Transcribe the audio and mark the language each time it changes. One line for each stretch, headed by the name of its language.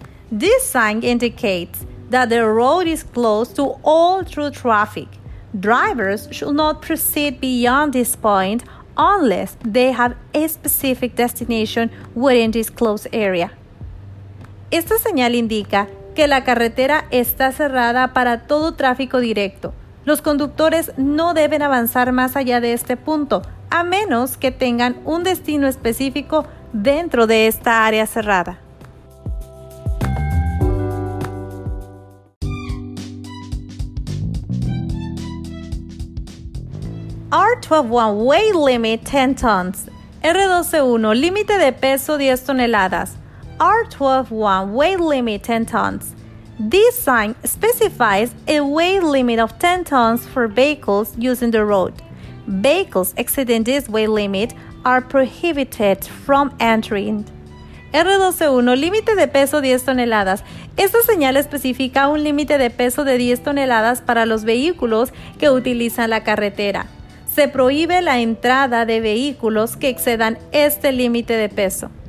English: This sign indicates that the road is closed to all through traffic. Drivers should not proceed beyond this point unless they have a specific destination within this closed area.
Spanish: Esta señal indica que la carretera está cerrada para todo tráfico directo. Los conductores no deben avanzar más allá de este punto, a menos que tengan un destino específico dentro de esta área cerrada.
English: R121, weight limit 10 tons.
Spanish: R121, límite de peso 10 toneladas.
English: R121, weight limit 10 tons. This sign specifies a weight limit of 10 tons for vehicles using the road. Vehicles exceeding this weight limit are prohibited from entering.
Spanish: R121, límite de peso 10 toneladas. Esta señal especifica un límite de peso de 10 toneladas para los vehículos que utilizan la carretera. Se prohíbe la entrada de vehículos que excedan este límite de peso.